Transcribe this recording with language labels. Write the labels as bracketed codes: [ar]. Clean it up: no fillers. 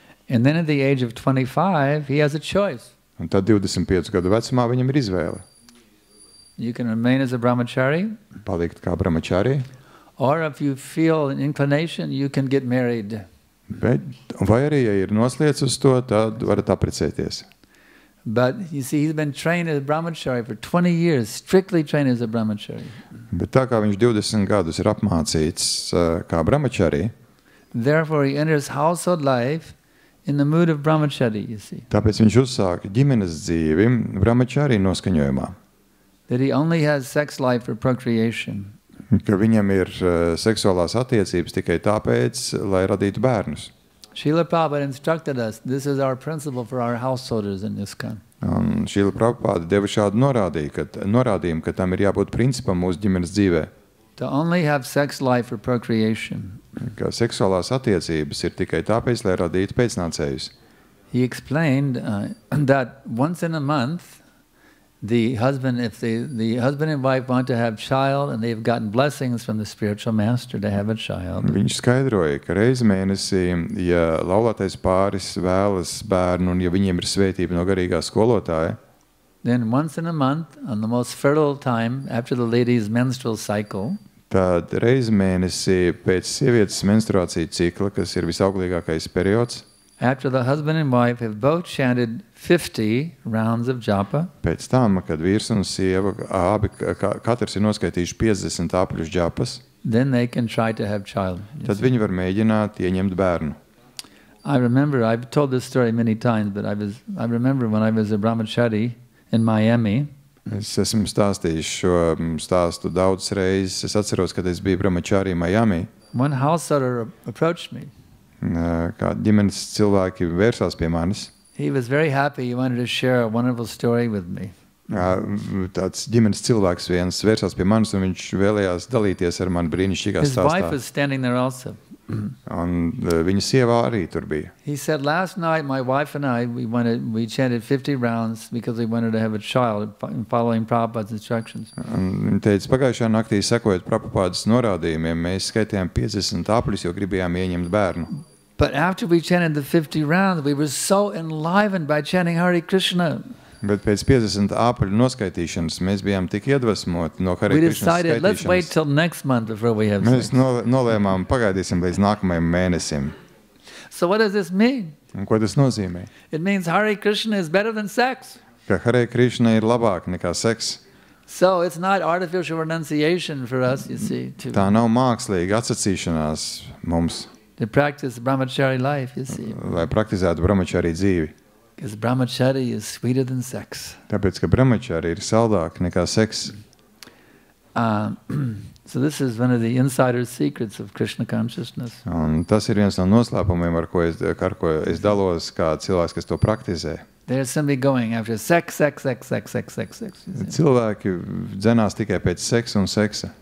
[en] And then at the age of 25, he has a choice. [lv] Un tad 25 gadu vecumā viņam ir izvēle. [en] You can remain as a brahmachari. [lv] Palikt kā brahmachari. [en] Or if you feel an inclination, you can get married. [lv] Bet, vai arī, ja ir nosliedz uz to, tad varat apprecēties. [en] But you see, he's been trained as a brahmachari for 20 years, strictly trained as a brahmachari. [lv] Bet tā kā viņš 20 gadus ir apmācīts kā brahmachari, [en] therefore he enters household life in the mood of brahmachari, you see. [lv] Tāpēc viņš uzsāk ģimenes dzīvi brahmachari noskaņojumā. [en] That he only has sex life for procreation. [lv] Ka viņam ir seksuālās attiecības tikai tāpēc, lai radītu bērnus. [en] Śrīla Prabhupāda instructed us, this is our principle for our householders in ISKCON. [lv] Śrīla Prabhupāda deva šādu norādījumu, ka tam ir jābūt principam mūsu ģimenes dzīvē. [en] To only have sex life for procreation. [lv] Ka seksuālās attiecības ir tikai tāpēc, lai radītu pēcnācējus. [en] He explained that once in a month, the husband and wife want to have child and they've gotten blessings from the spiritual master to have a child. [lv] Viņš skaidroja, ka reizi mēnesī, ja laulātais pāris vēlas bērnu un ja viņiem ir svētība no garīgā skolotāja, [en] then once in a month on the most fertile time after the lady's menstrual cycle, [lv] tad reizi mēnesī pēc sievietes menstruācijas cikla, kas ir visauglīgākais periods, [en] after the husband and wife have both chanted 50 rounds of japa. [lv] Pēc tam, kad vīrs un sieva abi katrs ir noskaitījuši 50 apļus džapas, [en] then they can try to have child. [lv] Tad viņi var mēģināt ieņemt bērnu. [en] I remember, I've told this story many times, but I remember when I was a brahmachari in Miami. [lv] Es esmu stāstījis šo stāstu daudzas reizes. Es atceros, kad es biju brahmachari Miami. [en] One householder approached me. [lv] Kā ģimenes cilvēki vērsās pie manis. [en] He was very happy, he wanted to share a wonderful story with me. [lv] Tāds ģimenes cilvēks viens vērsās pie manis un viņš vēlējās dalīties ar mani brīnišķīgā stāstā. [en] His wife was standing there also. [lv] Un viņa sieva arī tur bija. [en] He said, last night my wife and I, we chanted 50 rounds because we wanted to have a child following Prabhupada's instructions. [lv] Un viņa teica, pagājušā naktī sekojot Prabhupādas norādījumiem, mēs skaitījām 50 apļus, jo gribējām ieņemt bērnu. [en] But after we chanted the 50 rounds, we were so enlivened by chanting Hare Krishna. [lv] Bet pēc 50 āpaļu noskaitīšanas mēs bijām tik iedvesmoti no Hare Krishna skaitīšanas. [en] Let's wait till next month before we have [lv] mēs nolēmām pagaidīsim līdz nākamajam mēnesim. [en] So what does this mean? [lv] Un ko tas nozīmē? [en] It means Hare Krishna is better than sex. [lv] Ka Hare Krishna ir labāk nekā seks. [en] So it's not artificial renunciation for us, you see. [lv] Tā nav mākslīga atsacīšanās mums. [en] To practice brahmachari life, you see. [lv] Lai praktizētu brahmachari dzīvi. [en] Because brahmachari is sweeter than sex. [lv] Tāpēc, ka brahmachari ir saldāk nekā seks. [en] So this is one of the insider secrets of Krishna consciousness. [lv] Un tas ir viens no noslēpumiem, ar ko es dalos kā cilvēks, kas to praktizē. [en] There is somebody going after sex. [lv] Cilvēki dzenās tikai pēc seksa un seksa.